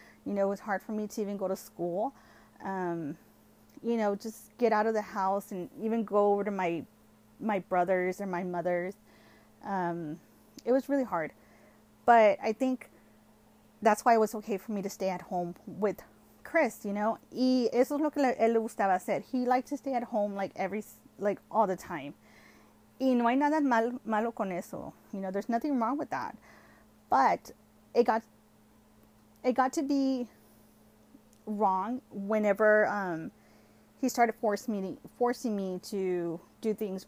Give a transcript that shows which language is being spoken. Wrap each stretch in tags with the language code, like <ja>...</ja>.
<en>You know, it was hard for me to even go to school. You know, just get out of the house and even go over to my brother's or my mother's. It was really hard. But I think that's why it was okay for me to stay at home with Chris, you know.</en> <es>Y eso es lo que él gustaba hacer.</es> <en>He liked to stay at home, like all the time.</en> <es>Y no hay nada malo con eso.</es> <en>You know, there's nothing wrong with that. But it got to be wrong whenever he started forcing me to do things.</en>